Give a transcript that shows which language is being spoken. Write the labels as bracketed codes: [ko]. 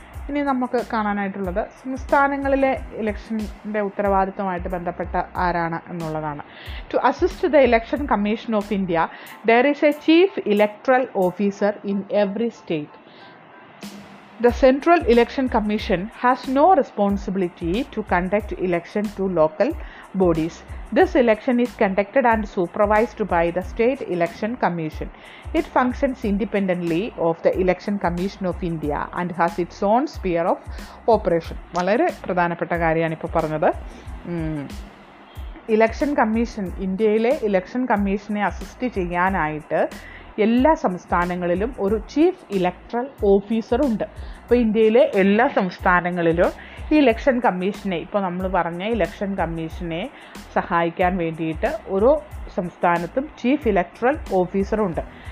[ml] ഇനി നമുക്ക് കാണാനായിട്ടുള്ളത് സംസ്ഥാനങ്ങളിലെ ഇലക്ഷൻ്റെ ഉത്തരവാദിത്തമായിട്ട് ബന്ധപ്പെട്ട ആരാണ് എന്നുള്ളതാണ്. [en] To assist the election commission of India, there is a chief electoral officer in every state. The central election commission has no responsibility to conduct election to local bodies. This election is conducted and supervised by the State Election Commission. It functions independently of the Election Commission of India and has its own sphere of operation. [ml] വളരെ പ്രധാനപ്പെട്ട കാര്യമാണ് ഇപ്പോൾ പറഞ്ഞത്. Election commission, ഇന്ത്യയിലെ election കമ്മീഷനെ assist ചെയ്യാനായിട്ട് എല്ലാ സംസ്ഥാനങ്ങളിലും ഒരു ചീഫ് ഇലക്ട്രൽ ഓഫീസറുണ്ട്. അപ്പോൾ ഇന്ത്യയിലെ എല്ലാ സംസ്ഥാനങ്ങളിലും ഈ ഇലക്ഷൻ കമ്മീഷനെ, ഇപ്പോൾ നമ്മൾ പറഞ്ഞ ഇലക്ഷൻ കമ്മീഷനെ സഹായിക്കാൻ വേണ്ടിയിട്ട് ഓരോ സംസ്ഥാനത്തും ചീഫ് ഇലക്ട്രൽ ഓഫീസറുണ്ട്.